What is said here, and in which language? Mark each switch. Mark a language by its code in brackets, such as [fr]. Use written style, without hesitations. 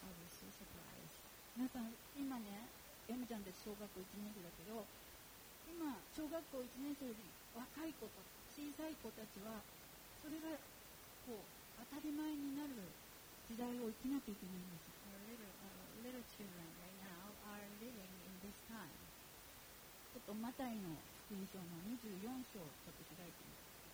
[en] I was so surprised. [ja] 皆さん今ね、エムちゃんで小学校1年生だけど、今小学校1年生より若い子と小さい子たちはそれがこう当たり前になる時代を生きなきゃいけないんです。 [en] little children right now are living in this time. [ja] ちょっとマタイの福音書の24章ちょっと開いてみます。